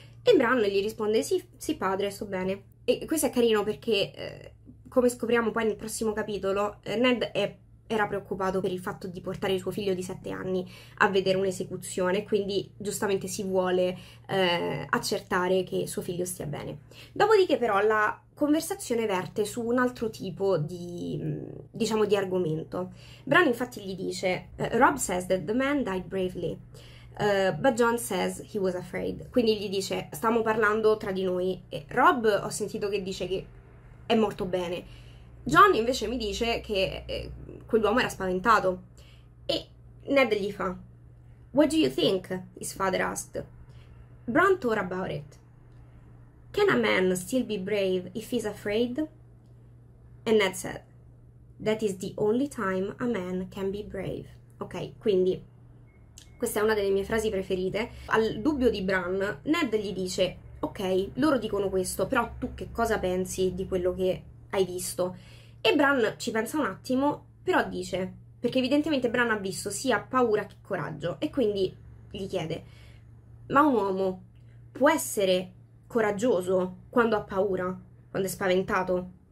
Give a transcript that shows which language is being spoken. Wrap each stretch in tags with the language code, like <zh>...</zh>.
<it>E Bran gli risponde: Sì, padre, sto bene. E questo è carino perché, come scopriamo poi nel prossimo capitolo, era preoccupato per il fatto di portare il suo figlio di 7 anni a vedere un'esecuzione, quindi giustamente si vuole accertare che suo figlio stia bene. Dopodiché, però, la conversazione verte su un altro tipo di, diciamo, di argomento. Bran infatti gli dice:</it> <en>Rob says that the man died bravely, but John says he was afraid.</en> <it>Quindi gli dice: Stiamo parlando tra di noi. E Rob ho sentito che dice che è morto bene. John invece mi dice che quell'uomo era spaventato. E Ned gli fa:</it> <en>What do you think? His father asked. Bran thought about it. Can a man still be brave if he's afraid? And Ned said, That is the only time a man can be brave.</en> <it>Ok, quindi questa è una delle mie frasi preferite. Al dubbio di Bran, Ned gli dice: Ok, loro dicono questo, però tu che cosa pensi di quello che hai visto? E Bran ci pensa un attimo, però dice, perché evidentemente Bran ha visto sia paura che coraggio, e quindi gli chiede: Ma un uomo può essere coraggioso quando ha paura, quando è spaventato?</it>